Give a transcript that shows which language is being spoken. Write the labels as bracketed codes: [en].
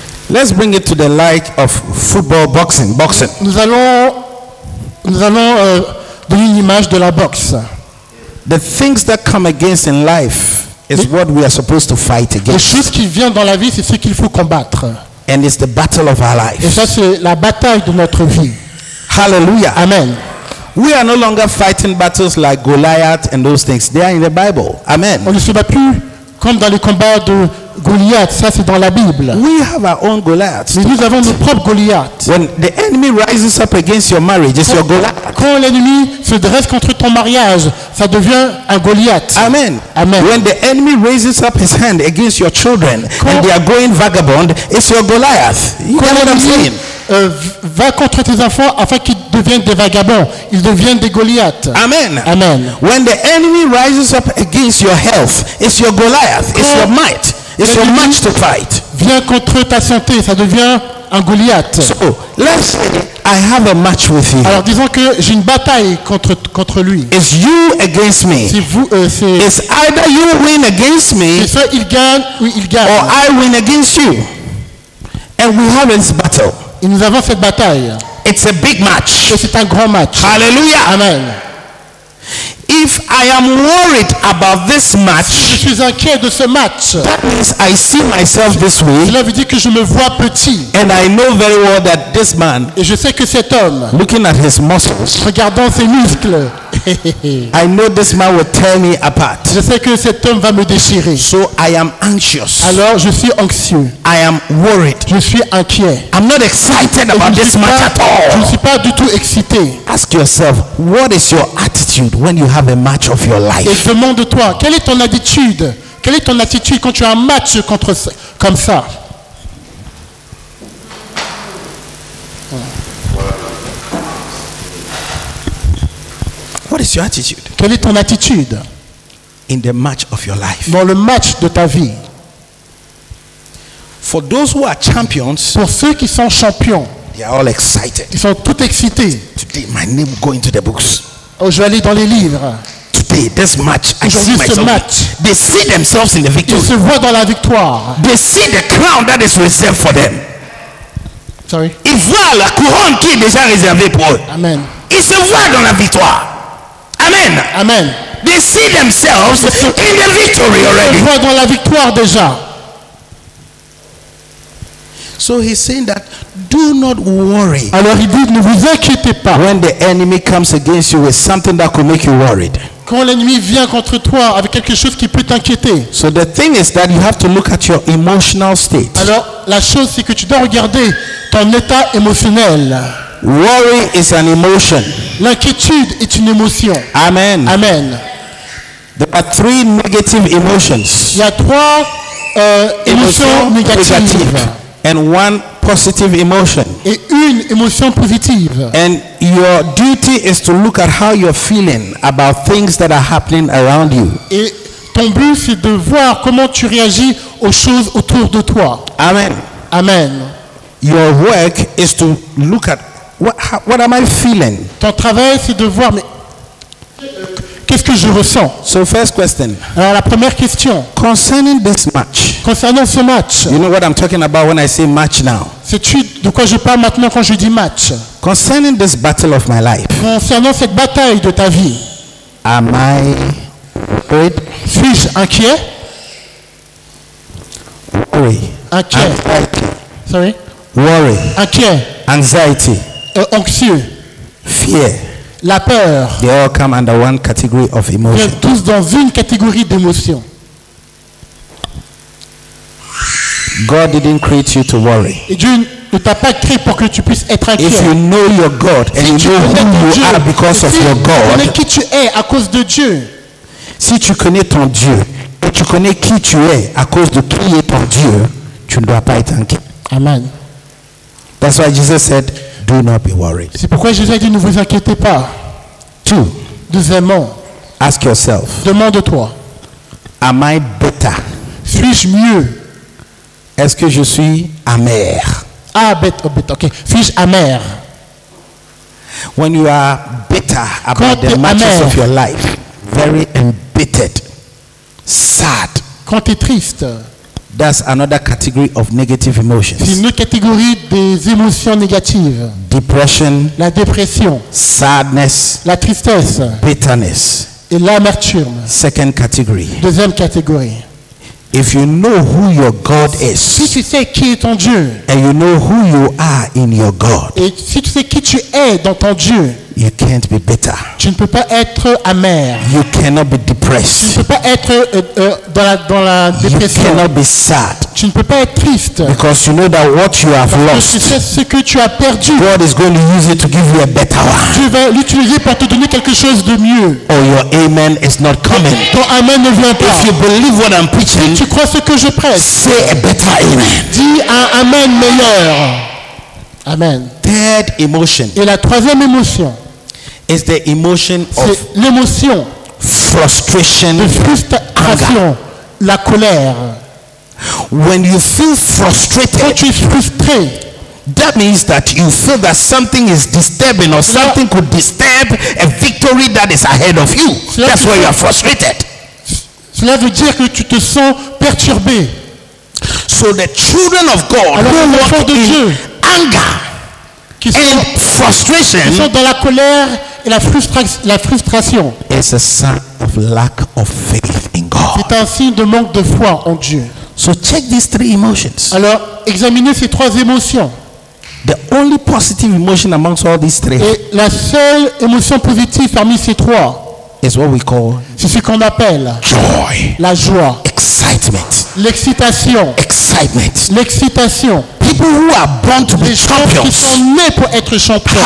[en] Let's bring it to the light of football, boxing, boxing. [fr] Nous allons donner une image de la boxe. [en] The things that come against in life is what we are supposed to fight against. [fr] Les choses qui viennent dans la vie, c'est ce qu'il faut combattre. [en] And it's the battle of our life. [fr] Et ça, c'est la bataille de notre vie. [en] Hallelujah. Amen. We are no longer fighting battles like Goliath and those things. They are in the Bible. Amen. [fr] On ne se bat plus comme dans les combats de Goliath. Ça, c'est dans la Bible. [en] We have our own Goliath. [fr] Mais nous avons nos propres Goliaths. [en] When the enemy rises up against your marriage, it's your Goliath. [fr] Quand l'ennemi se dresse contre ton mariage, ça devient un Goliath. Amen. Amen. [en] When the enemy raises up his hand against your children and they are going vagabond, it's your Goliath. You know what I'm saying? [fr] Va contre tes enfants afin qu'ils deviennent des vagabonds. Ils deviennent des Goliaths. Amen. Amen. [en] When the enemy rises up against your health, it's your Goliath. It's your might. It's your match to fight. [fr] Viens contre ta santé, ça devient un Goliath. [en] So, let's say I have a match with you. [fr] Alors disons que j'ai une bataille contre lui. [en] It's you against me. [fr] C'est vous. C'est. [en] It's either you win against me. [fr] C'est soit il gagne ou il gagne. [en] Or I win against you. And we have this battle. [fr] Et nous avons cette bataille. [en] It's a big match. [fr] Et c'est un grand match. [en] Hallelujah. Amen. If I am worried about this match, [fr] si je suis inquiet de ce match, [en] that means I see myself this way. [fr] Cela veut dire que je me vois petit. [en] And I know very well that this man, [fr] et je sais que cet homme, [en] looking at his muscles, [fr] regardant ses muscles, [en] I know this man will tear me apart. [fr] Je sais que cet homme va me déchirer. [en] So I am anxious. [fr] Alors je suis anxieux. [en] I am worried. [fr] Je suis inquiet. [en] I'm not excited about this match at all. [fr] Je ne suis pas du tout excité. [en] Ask yourself, what is your attitude when you have a match of your life? [fr] Et demande-toi, quelle est ton attitude? Quelle est ton attitude quand tu as un match contre comme ça? [en] What is your attitude? [fr] Quelle est ton attitude? [en] In the match of your life. [fr] Dans le match de ta vie. [en] For those who are champions. [fr] Pour ceux qui sont champions. [en] They are all excited. [fr] Ils sont tous excités. [en] Today my name will go into the books. [fr] Aujourd'hui dans les livres. [en] Today, this match, [fr] aujourd'hui, [en] I see [fr] ce [en] myself. [fr] Match. [en] They see themselves in the victory. [fr] Ils se voient dans la victoire. [en] They see the crown that is reserved for them. Sorry. [fr] Ils voient la couronne qui est déjà réservée pour eux. Amen. Ils se voient dans la victoire. Amen. Amen. [en] They see themselves in the victory already. [fr] Ils se voient dans la victoire déjà. [en] So he's saying that do not worry. [fr] Alors il dit ne vous inquiétez pas. [en] When the enemy comes against you with something that could make you worried. [fr] Quand l'ennemi vient contre toi avec quelque chose qui peut t'inquiéter. [en] So the thing is that you have to look at your emotional state. [fr] Alors la chose c'est que tu dois regarder ton état émotionnel. [en] Worry is an emotion. [fr] L'inquiétude est une émotion. Amen. Amen. [en] There are three negative emotions. [fr] Il y a trois émotions négatives. [en] And one positive emotion. [fr] Et une émotion positive. [en] And your duty is to look at how you're feeling about things that are happening around you. [fr] Et ton but c'est de voir comment tu réagis aux choses autour de toi. Amen. Amen. [en] Your work is to look at what am I feeling? [fr] Ton travail c'est de voir mais qu'est-ce que je ressens? [en] So first question. [fr] Alors la première question. [en] Concerning this match. [fr] Concernant ce match. [en] You know what I'm talking about when I say match now. [fr] Sais-tu de quoi je parle maintenant quand je dis match? [en] Concerning this battle of my life. [fr] Concernant cette bataille de ta vie. [en] Am I worried? [fr] Suis-je inquiet? [en] Worry. [fr] Inquiet. [en] Anxiety. Sorry. Worry. [fr] Inquiet. [en] Anxiety. [fr] Anxieux. [en] Fear. [fr] La peur. [en] They all come under one category of emotion. [fr] Ils tous dans une catégorie d'émotion. [en] God didn't create you to worry. [fr] Et Dieu ne t'a pas créé pour que tu puisses être inquiet. [en] If you know your God and [fr] si [en] you know who you [fr] Dieu, [en] are because [fr] si [en] of your God. [fr] Tu connais qui tu es à cause de Dieu. Si tu connais ton Dieu et tu connais qui tu es à cause de qui est ton Dieu, tu ne dois pas être inquiet. Amen. [en] That's why Jesus said, do not be worried. [fr] C'est pourquoi Jésus a dit ne vous inquiétez pas. [en] Two. [fr] Deuxièmement. [en] Ask yourself. [fr] Demande-toi. [en] Am I better? [fr] Suis-je mieux? Est-ce que je suis amer? Ah, bête, ok. Suis-je amer? [en] When you are bitter about the matters of your life, very embittered, sad. [fr] Quand tu es triste. [en] That's another category of negative emotions. [fr] C'est une autre catégorie des émotions négatives. [en] Depression. [fr] La dépression. [en] Sadness. [fr] La tristesse. [en] Bitterness. [fr] Et l'amertume. [en] Second category. [fr] Deuxième catégorie. [en] If you know who your God is. [fr] Si tu sais qui est ton Dieu. [en] And you know who you are in your God. [fr] Et si tu sais qui tu es dans ton Dieu. [en] You can't be bitter. [fr] Tu ne peux pas être amer. [en] You cannot be depressed. [fr] Tu ne peux pas être dans la dépression. [en] You cannot be sad. [fr] Tu ne peux pas être triste. [en] Because you know that what you have [fr] parce [en] lost. [fr] Que tu sais ce que tu as perdu. [en] God is going to use it to give you a better one. [fr] Dieu va l'utiliser pour te donner quelque chose de mieux. [en] Or your amen is not coming. [fr] Ton amen ne vient pas. [en] If you believe what I'm preaching. [fr] Si tu crois ce que je prêche. [en] Say a better amen. [fr] Dis un amen meilleur. Amen. [en] Third emotion. [fr] Et la troisième émotion. [en] Is the emotion of [fr] l'émotion [en] frustration, [fr] de frustration, la colère. [en] When you feel frustrated, [fr] quand tu es frustré, [en] that means that you feel that something is disturbing or something could disturb a victory that is ahead of you. That's why you are frustrated. [fr] Cela veut dire que tu te sens perturbé. [en] So the children of God, [fr] alors les enfants de Dieu, [en] anger. And frustration. [fr] Ils sont dans la colère et la frustration. [en] It's a sign of lack of faith in God. [fr] C'est un signe de manque de foi en Dieu. [en] So check these three emotions. [fr] Alors, examinez ces trois émotions. [en] The only positive emotion amongst all these three. [fr] Et la seule émotion positive parmi ces trois. [en] Is what we call. [fr] C'est ce qu'on appelle. [en] Joy. [fr] La joie. [en] Excitement. [fr] L'excitation. [en] Excitement. [fr] L'excitation. [en] People who are born to be champions. [fr] Les gens qui sont nés pour être champions.